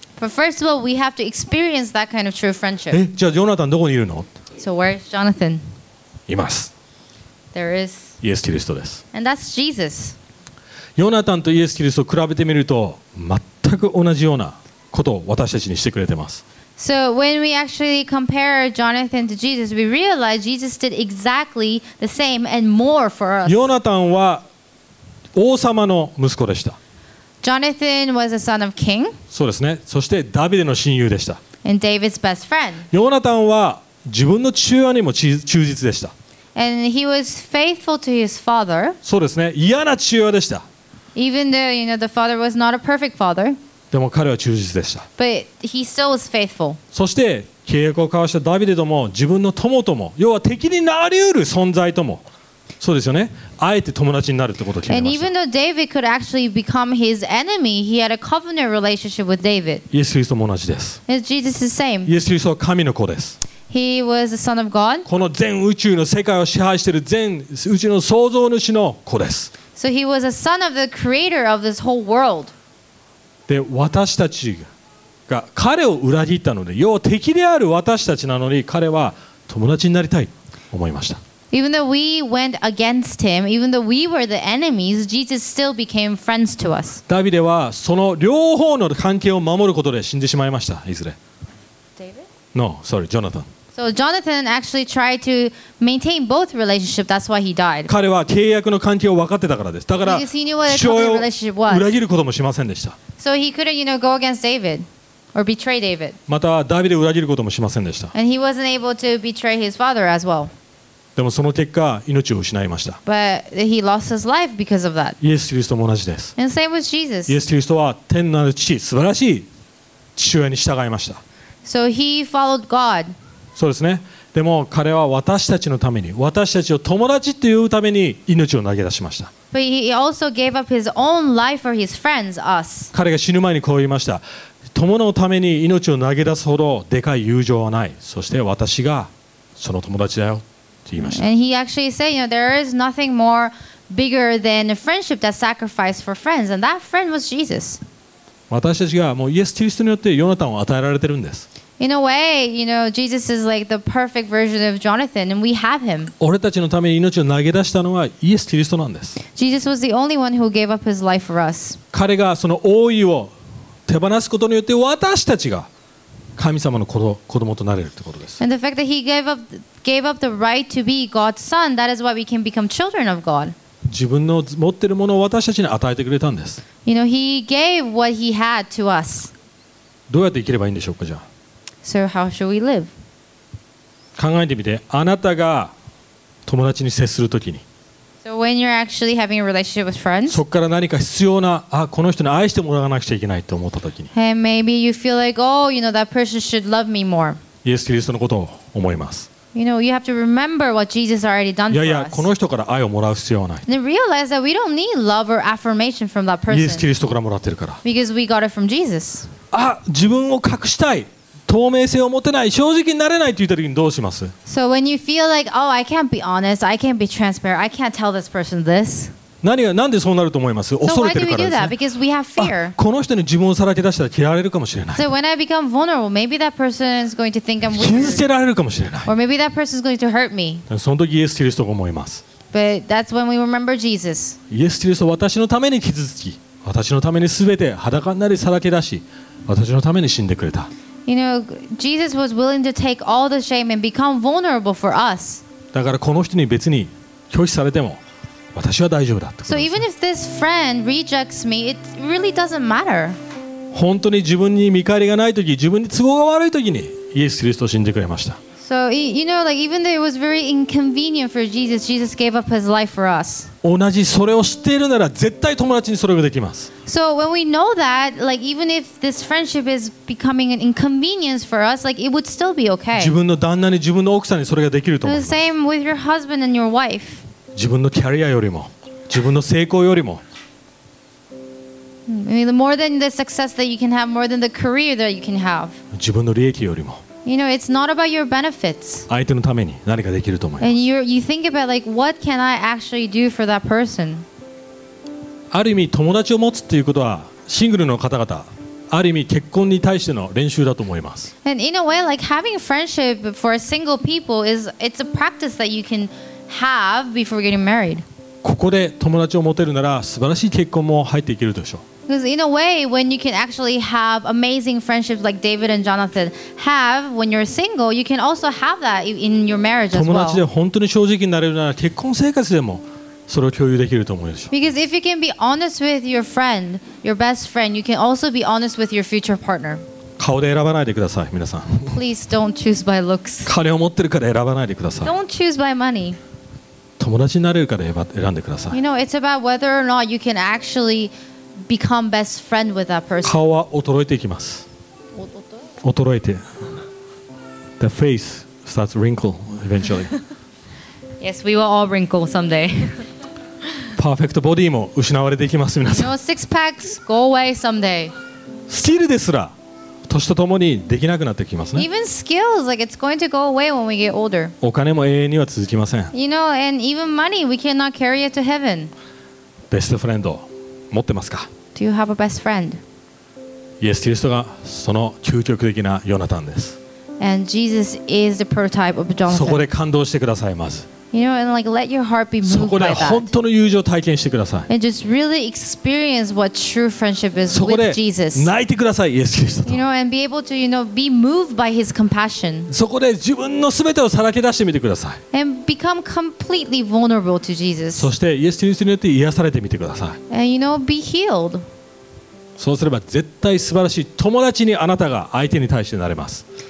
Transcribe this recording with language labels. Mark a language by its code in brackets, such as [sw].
[en] But first of all, we have to experience that kind of true friendship. [ja] え、じゃあジョナタンどこにいるの [en] ？So where's Jonathan? [ja] います。 [en] There is. [ja] イエス・キリストです。 [en] And that's Jesus. [ja] ジョナタンとイエス・キリストを比べてみると全く同じようなことを私たちにしてくれてます。 [en] So when we actually compare Jonathan to Jesus, we realize Jesus did exactly the same and more for us. [ja] ヨナタンは王様の息子でした。 [en] Jonathan was a son of king. [ja] そうですね。そしてダビデの親友でした。 [en] And David's best friend. [ja] ヨナタンは自分の父親にも忠実でした。 [en] And he was faithful to his father. [ja] そうですね。嫌な父親でした。 [en] Even though, you know, the father was not a perfect father. [ja] でも彼は忠実でした。 [en] But he still was faithful. [ja] そして契約を交わしたダビデとも自分の友とも、要は敵になりうる存在とも、そうですよね。あえて友達になるってことを決めました。 [en] And even though David could actually become his enemy, he had a covenant relationship with David. [ja] イエス・キリストも同じです。 [en] And Jesus is the same. [ja] イエス・キリストは神の子です。 [en] He was the son of God. [ja] この全宇宙の世界を支配している全宇宙の創造主の子です。 [en] So he was a son of the creator of this whole world. [ja] で私たちが彼を裏切ったので、要は敵である私たちなのに彼は友達になりたいと思いました。 [en] Even though we went against him, even though we were the enemies, Jesus still became friends to us. [ja] ダビデはその両方の関係を守ることで死んでしまいました。いずれ。 [en] David? No, sorry, Jonathan. So Jonathan actually tried to maintain both relationships. That's why he died. [ja] 彼は契約の関係を分かってたからです。だから父親を裏切ることもしませんでした。 [en] So he couldn't, you know, go against David or betray David. [ja] またダビデを裏切ることもしませんでした。 [en] And he wasn't able to betray his father as well. [ja] でもその結果命を失いました。 [en] But he lost his life because of that. [ja] イエス・キリストも同じです。 [en] And same with Jesus. [ja] イエス・キリストは天なる父、素晴らしい父親に従いました。 [en] So he followed God. [ja] そうですね。でも彼は私たちのために、私たちを友達というために命を投げ出しました。 [en] But he also gave up his own life for his friends, us. [ja] 彼が死ぬ前にこう言いました。友のために命を投げ出すほどでかい友情はない。そして私がその友達だよと言いました。 [en] And he actually said, you know, there is nothing more bigger than a friendship that sacrificed for friends, and that friend was Jesus. [ja] 私たちがもうイエス・キリストによってヨナタンを与えられてるんです。 [en] In a way, you know, Jesus is like the perfect version of Jonathan, and we have him. [ja] 俺たちのために命を投げ出したのはイエス・キリストなんです。 [en] Jesus was the only one who gave up his life for us. [ja] 彼がその王位を手放すことによって私たちが神様の子供となれるってことです。 [en] And the fact that he gave up the right to be God's son, that is why we can become children of God. [ja] 自分の持ってるものを私たちに与えてくれたんです。 [en] You know, he gave what he had to us. [ja] どうやって生きればいいんでしょうか、じゃあ。 [en] So how should we live? [ja] 考えてみて、あなたが友達に接するときに、 [en] so when you're actually having a relationship with friends, [ja] そこから何か必要な、あ、この人に愛してもらわなくちゃいけないと思ったときに、 [en] and maybe you feel like, oh, you know, that person should love me more. [ja] イエス・キリストのことを思います。 [en] You know, you have to remember what Jesus already done for us. [ja] いやいや、この人から愛をもらう必要はない。 [en] Then realize that we don't need love or affirmation from that person. [ja] イエス・キリストからもらってるから。 [en] Because we got it from Jesus. [ja] あ、自分を隠したい。透明性を持てない、正直になれないと言った時にどうします? [en] So when you feel like, oh, I can't be honest, I can't be transparent, I can't tell this person this. [ja] 何でそうなると思います？恐れてるからですね。 [en] Because we have fear. [ja] この人に自分をさらけ出したら嫌われるかもしれない。 [en] So when I become vulnerable, maybe that person is going to think I'm weak. [ja] 傷つけられるかもしれない。 [en] Or maybe that person is going to hurt me. [ja] その時イエス・キリストが思います。 [en] But that's when we remember Jesus. [ja] イエス・キリスト、私のために傷つき、私のためにすべて裸になりさらけ出し、私のために死んでくれた。 [en] You know, Jesus was willing to take all the shame and become vulnerable for us. [ja] だからこの人に別に拒否されても私は大丈夫だ。 [en] So even if this friend rejects me, it really doesn't matter. [ja] 本当に自分に見返りがないとき、自分に都合が悪いときにイエス・キリストを信じてくれました。 [en] So you know, like even though it was very inconvenient for Jesus, Jesus gave up his life for us. [ja] 同じそれを知っているなら絶対友達にそれができます。 [en] So when we know that, like even if this friendship is becoming an inconvenience for us, like it would still be okay. [ja] 自分の旦那に自分の奥さんにそれができると思います。 [en] The same with your husband and your wife. [ja] 自分のキャリアよりも、自分の成功よりも。 [en] More than the success that you can have, more than the career that you can have. [ja] 自分の利益よりも。 [en] You know, it's not about your benefits. [ja] 相手のために何かできると思います。 [en] And you think about like, what can I actually do for that person? [ja] ある意味、友達を持つっていうことはシングルの方々、ある意味結婚に対しての練習だと思います。 [en] And in a way, like having friendship for single people is it's a practice that you can have before getting married. [ja] ここで友達を持てるなら素晴らしい結婚も入っていけるでしょう。 [en] Because in a way, when you can actually have amazing friendships like David and Jonathan have when you're single, you can also have that in your marriage as well. [ja] 友達で本当に正直になれるなら結婚生活でもそれを共有できると思うでしょう。 [en] Because if you can be honest with your friend, your best friend, you can also be honest with your future partner. [ja] 顔で選ばないでください、皆さん。 [en] Please don't choose by looks. [ja] 金を持ってるから選ばないでください。 [en] Don't choose by money. [ja] 友達になれるから選んでください。 [en] You know, it's about whether or not you can actually become best friend with that person. [ja] 顔は衰えていきます。衰えて。 [en] The face starts wrinkle eventually. Yes, we will all wrinkle someday. [ja] パーフェクトボディも失われていきます、皆さん。 [en] No, six packs go away someday. [ja] スキルですら年とともにできなくなってきますね。 [en] Even skills, like it's going to go away when we get older. [ja] お金も永遠には続きません。 [en] You know, and even money, we cannot carry it to heaven. [ja] ベストフレンド。持ってますか? [en] Do you have a best friend? [ja] Yes, キリストがその究極的なヨナタンです。 [en] And Jesus is the prototype of Jonathan. [ja] そこで感動してくださいまず。 [en] You know, and like let your heart be moved by that. [ja] そこで本当の友情を体験してください。 [en] And just really experience what true friendship is with Jesus. [ja] そこで泣いてください、イエスキリストと。 [en] You know, and be able to, you know, be moved by His compassion. [ja] そこで自分のすべてをさらけ出してみてください。 [en] And become completely vulnerable to Jesus. [ja] そしてイエスキリストによって癒されてみてください。 [en] And you know, be healed. [ja] そうすれば絶対素晴らしい友達にあなたが相手に対してなれます。